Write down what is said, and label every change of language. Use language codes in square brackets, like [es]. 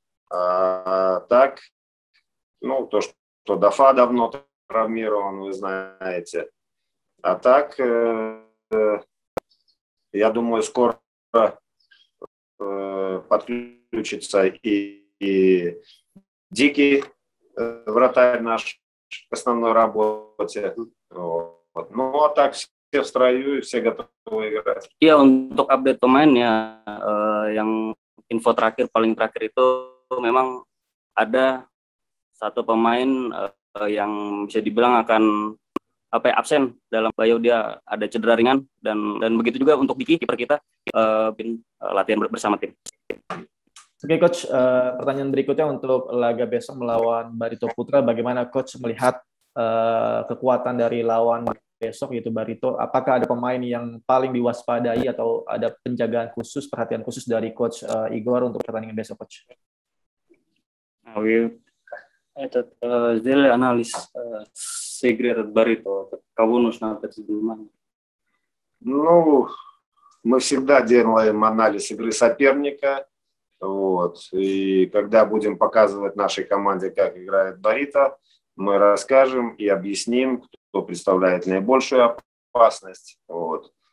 [ru] А так, ну, то, что Дафа давно травмирован, вы знаете, а так, я думаю, скоро подключится и Дикий вратарь наш в основной работе. Вот. Ну, а так все в строю и все готовы играть. [id] Ya, untuk update pemain ya, yang info terakhir, paling terakhir itu memang ada satu pemain yang bisa dibilang akan apa ya, absen dalam bio, dia ada cedera ringan, dan begitu juga untuk Diki, kiper kita, latihan bersama tim. Oke, Coach, pertanyaan berikutnya untuk laga besok melawan Barito Putra, bagaimana Coach melihat kekuatan dari lawan besok yaitu Barito? Apakah ada pemain yang paling diwaspadai atau ada penjagaan khusus, perhatian khusus dari Coach Igor untuk pertandingan besok, Coach? [ru] Сделали анализ с игры от Барито. Кого нужно обратить внимание? Ну, мы всегда делаем анализ игры соперника. Вот. И когда будем показывать нашей команде, как играет Барито, мы расскажем и объясним, кто представляет наибольшую опасность. Вот.